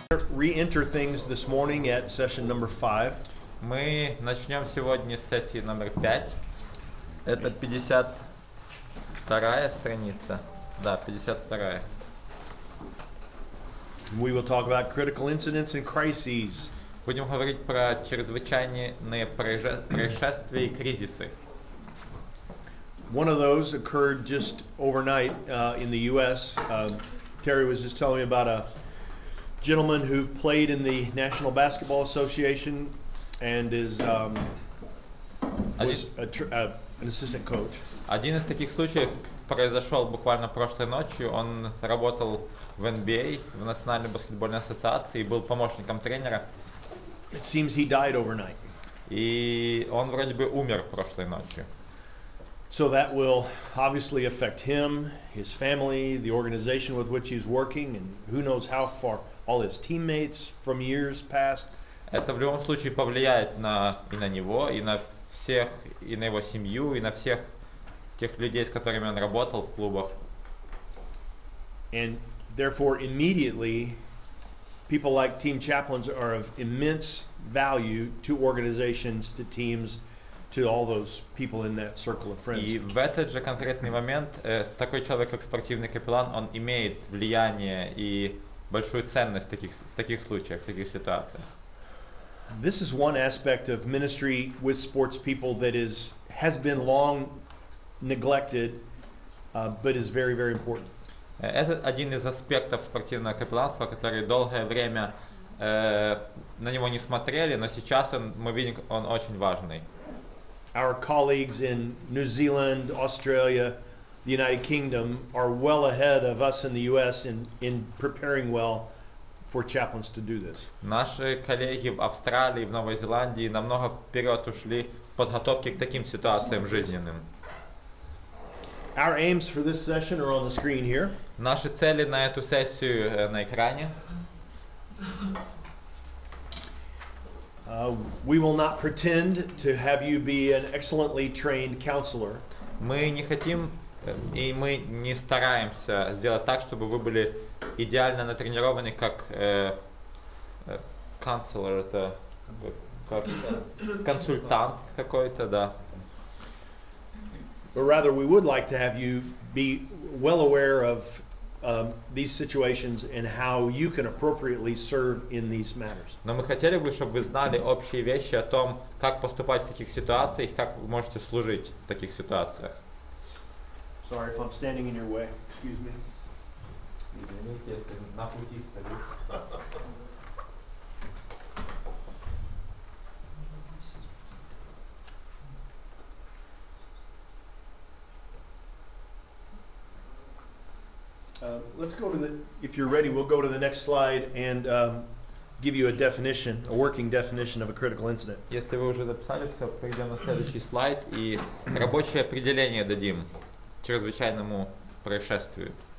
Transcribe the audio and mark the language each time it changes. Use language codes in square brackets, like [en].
[en] re-enter things this morning at session number 5. [ru] Мы начнем сегодня с сессии номер 5. Это 52-я страница. Да, 52-я. [en] We will talk about critical incidents and crises. [ru] Будем говорить про чрезвычайные происшествия и кризисы. [en] One of those occurred just overnight in the U.S. Terry was just telling me about a gentleman who played in the National Basketball Association and is an assistant coach. [ru] Один из таких случаев произошел буквально прошлой ночью. Он работал в NBA, в Национальной баскетбольной ассоциации, и был помощником тренера. [en] It seems he died overnight. [ru] И он вроде бы умер прошлой ночью. [en] So that will obviously affect him, his family, the organization with which he's working, and who knows how far all his teammates from years past. [ru] Это в любом случае повлияет на него, и на всех, и на его семью, и на всех тех людей, с которыми он работал в клубах. [en] And therefore, immediately, people like team chaplains are of immense value to organizations, to teams, to all those people in that circle of friends. [ru] И в этот же конкретный момент такой человек, как спортивный капеллан, он имеет влияние и большую ценность в таких случаях, в таких ситуациях. [en] This is one aspect of ministry with sports people that has been long neglected, but is very, very important. [ru] Это один из аспектов спортивного капелланства, который долгое время на него не смотрели, но сейчас мы видим, он очень важный. [en] Our colleagues in New Zealand, Australia, the United Kingdom are well ahead of us in the U.S. in preparing well for chaplains to do this. [ru] Наши коллеги в Австралии, в Новой Зеландии намного вперед ушли в подготовке к таким ситуациям жизненным. [en] Our aims for this session are on the screen here. [ru] Наши цели на эту сессию на экране. [en] We will not pretend to have you be an excellently trained counselor. [ru] Мы не хотим и мы не стараемся сделать так, чтобы вы были идеально натренированы как counselor, это как консультант какой-то, да. [en] But rather, we would like to have you be well aware of these situations and how you can appropriately serve in these matters. [ru] Но мы хотели бы, чтобы вы знали общие вещи о том, как поступать в таких ситуациях, как вы можете служить в таких ситуациях. [en] Sorry if I'm standing in your way. Excuse me. [ru] Извините, я на пути стою. [en] Let's go to the. If you're ready, we'll go to the next slide and give you a definition, a working definition of a critical incident. [ru] Если вы уже записали, то перейдем на следующий слайд и рабочее определение дадим чрезвычайному происшествию.